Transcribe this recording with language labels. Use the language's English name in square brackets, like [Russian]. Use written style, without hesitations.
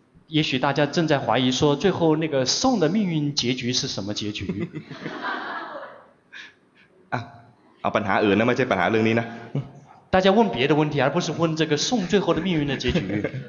[Chinese] 也许大家正在怀疑说最后那个宋的命运结局是什么结局 [Thai] 啊，ปัญหาอื่นนะไม่ใช่ปัญหาเรื่องนี้นะ [Chinese] 大家问别的问题而不是问这个宋最后的命运的结局